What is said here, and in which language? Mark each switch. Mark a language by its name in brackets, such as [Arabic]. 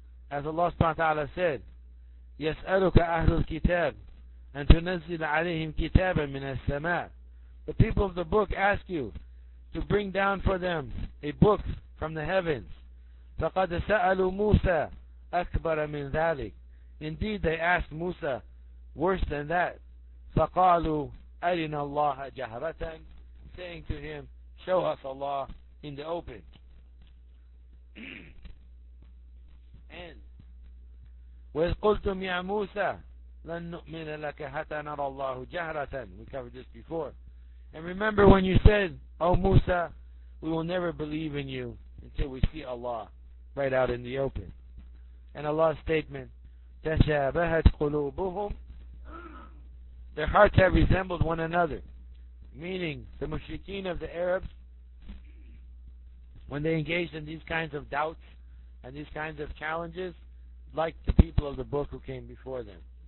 [English] As Allah subhanahu wa ta'ala said, [Arabic] يَسْأَلُكَ أَهْلُ الْكِتَابِ أَنْ تُنَزِّلَ عَلَيْهِمْ كِتَابًا مِنَ السَّمَاءِ [English] The people of the book ask you to bring down for them a book from the heavens. [Arabic] فَقَدْ سَأَلُوا مُوسَى أَكْبَرَ مِنْ ذَلِكَ [English] Indeed, they asked Musa worse than that. [Arabic] فَقَالُوا أَرِنَا اللَّهَ جَهْرَةً [English] Saying to him, Show us Allah in the open. And [Arabic] وَإِذْ قُلْتُمْ يَا مُوسَى لَن نُؤْمِنَ لَكَ حَتَى نَرَى اللَّهُ جَهْرَةً [English] We covered this before. And remember when you said, O Musa, we will never believe in you until we see Allah right out in the open. And Allah's statement, [Arabic] تَشَابَهَتْ قُلُوبُهُمْ [English] Their hearts have resembled one another. Meaning, the mushrikeen of the Arabs, when they engaged in these kinds of doubts and these kinds of challenges, like the people of the book who came before them.